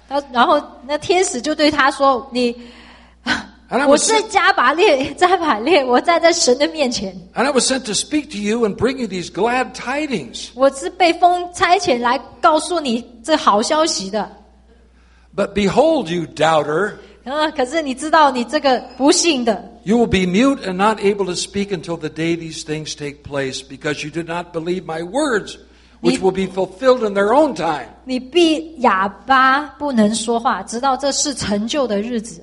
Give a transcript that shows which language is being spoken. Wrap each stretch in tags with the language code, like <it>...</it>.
<zh>然后那天使就对他说：“你，我是加百列，我站在神的面前。”</zh> <en>And I was sent to speak to you and bring you these glad tidings.</en> <zh>我是被风差遣来告诉你。这好消息的。</zh> <en>But behold, you doubter.</en> <zh>可是你知道你这个不信的。</zh> <en>You will be mute and not able to speak until the day these things take place, because you did not believe my words, which will be fulfilled in their own time.</en> <zh>你必哑巴不能说话，直到这事成就的日子。</zh>